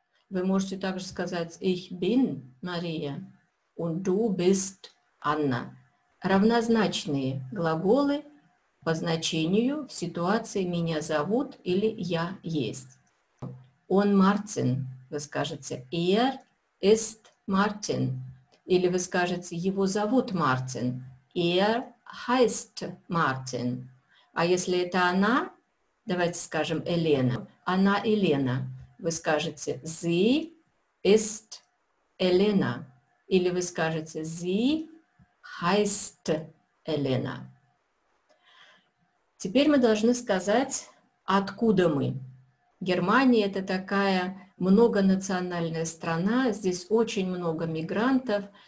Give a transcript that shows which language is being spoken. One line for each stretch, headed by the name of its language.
Russian: Вы можете также сказать
German: Ich bin Maria und du bist Anna.
Russian: Равнозначные глаголы по значению в ситуации «меня зовут» или «я есть». Он Мартин, вы скажете
German: «er ist Martin».
Russian: Или вы скажете «его зовут Мартин».
German: «Er heißt Martin».
Russian: А если это она, давайте скажем «Елена». «Она Елена». Вы скажете
German: «sie ist Elena».
Russian: Или вы скажете
German: «sie heißt Elena».
Russian: Теперь мы должны сказать, откуда мы. Германия – это такая многонациональная страна, здесь очень много мигрантов.